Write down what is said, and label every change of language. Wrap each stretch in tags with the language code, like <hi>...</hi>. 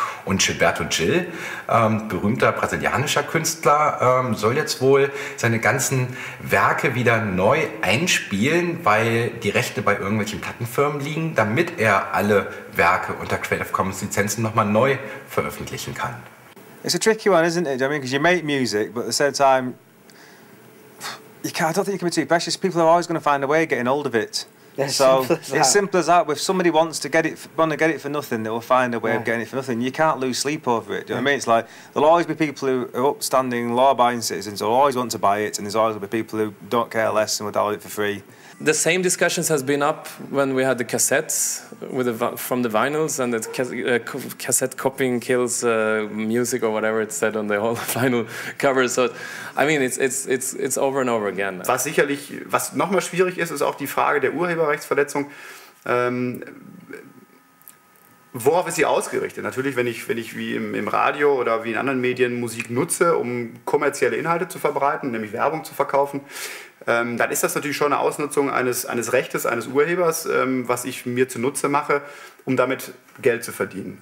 <de>Und Gilberto Gil, berühmter brasilianischer Künstler, soll jetzt wohl seine ganzen Werke wieder neu einspielen, weil die Rechte bei irgendwelchen Plattenfirmen liegen, damit er alle Werke unter Creative Commons Lizenzen nochmal neu veröffentlichen kann.</de> <en>It's a tricky one, isn't it? I mean, because you make music, but at the same time, you can't, I don't think you can be too precious. People are always going to find a way of getting hold of it. Yeah, so it's simple as that. If somebody wants to get it for nothing, they will find a way of getting it for nothing. You can't lose sleep over it. Do you know what I mean? It's like there'll always be people who are upstanding, law-abiding citizens who will always want to buy it, and there's always going to be people who don't care less and will download it for free. The same discussions has been up when we had the cassettes with the, from the vinyls, and the cassette copying kills music or whatever it said on the whole vinyl cover. So, I mean, it's over and over again.</en> <de>Was sicherlich, was nochmal schwierig ist, ist auch die Frage der Urheberrechtsverletzung. Worauf ist sie ausgerichtet? Natürlich, wenn ich wie im Radio oder wie in anderen Medien Musik nutze, um kommerzielle Inhalte zu verbreiten, nämlich Werbung zu verkaufen, dann ist das natürlich schon eine Ausnutzung eines Rechtes, eines Urhebers, was ich mir zunutze mache, um damit Geld zu verdienen.</de>